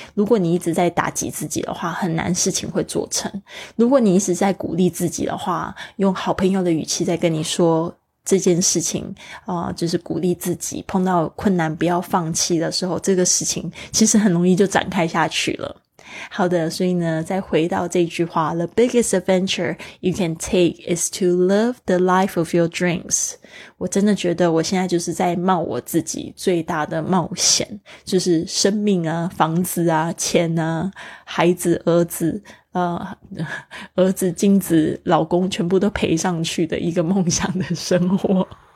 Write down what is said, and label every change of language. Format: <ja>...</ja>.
<zh>如果你一直在打击自己的话，很难事情会做成。如果你一直在鼓励自己的话，用好朋友的语气在跟你说这件事情就是鼓励自己，碰到困难不要放弃的时候，这个事情其实很容易就展开下去了。好的，所以呢，再回到这句话，</zh> <en>The biggest adventure you can take is to live the life of your dreams.</en> <zh>我真的觉得我现在就是在冒我自己最大的冒险，就是生命啊，房子啊，钱啊，孩子，儿子，儿子，金子，老公，全部都赔上去的一个梦想的生活。</zh>